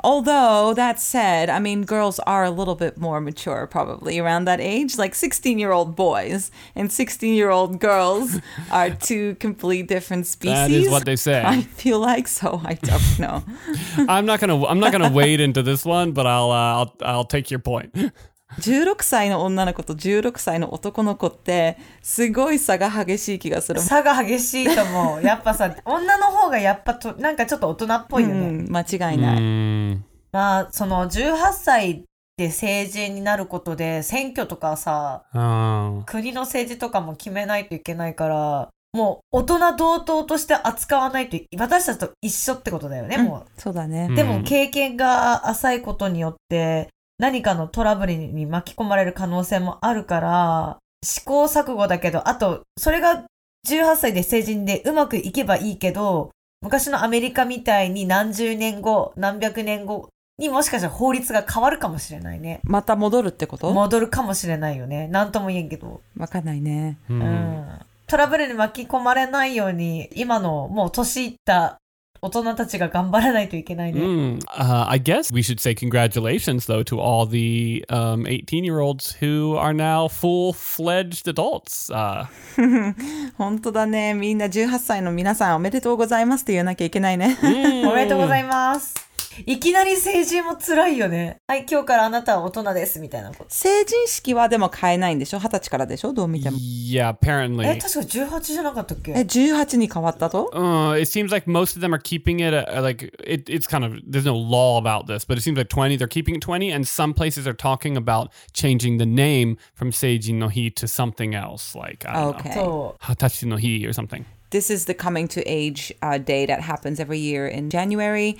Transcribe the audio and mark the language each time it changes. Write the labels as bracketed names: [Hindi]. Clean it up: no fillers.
[English] Although, that said, I mean, girls are a little bit more mature probably around that age. Like 16-year-old boys and 16-year-old girls are two complete different species. That is what they say. I feel like so. I don't know. I'm not gonna wade into this one, but I'll take your point. [Japanese] 16歳の女の子と16歳の男の子ってすごい差が激しい気がする。差が激しいと思う。やっぱさ、女の方がやっぱとなんかちょっと大人っぽいよね。間違いない。まあその18歳。で成人になることで選挙とかさ、国の政治とかも決めないといけないから、もう大人同等として扱わないと私たちと一緒ってことだよね、もう。そうだね。でも経験が浅いことによって何かのトラブルに巻き込まれる可能性もあるから、試行錯誤だけど、あとそれが18歳で成人でうまくいけばいいけど、昔のアメリカみたいに何十年後、何百年後、にもしかしたら法律が変わるかもしれないね。また戻るってこと？戻るかもしれないよね。なんとも言えんけど。わかんないね。トラブルに巻き込まれないように、今のもう年いった大人たちが頑張らないといけないね。 [English] I guess we should say congratulations though to all the 18-year-olds who are now full-fledged adults. [Japanese] 本当だね。みんな18歳の皆さんおめでとうございますって言わなきゃいけないね。おめでとうございます。いきなり成人も辛いよね。はい、今日からあなたは大人ですみたいなこと。成人式はでも変えないんでしょ？二十歳からでしょ？どう見ても。 [English] Yeah, apparently. [Japanese] え、確か18じゃなかったっけ？え、18に変わったと？ [English] It seems like most of them are keeping it like it's kind of there's no law about this, but it seems like 20 they're keeping it 20 and some places are talking about changing the name from 成人の日 to something else like I don't know. 二十歳の日 or something. This is the coming to age day that happens every year in January.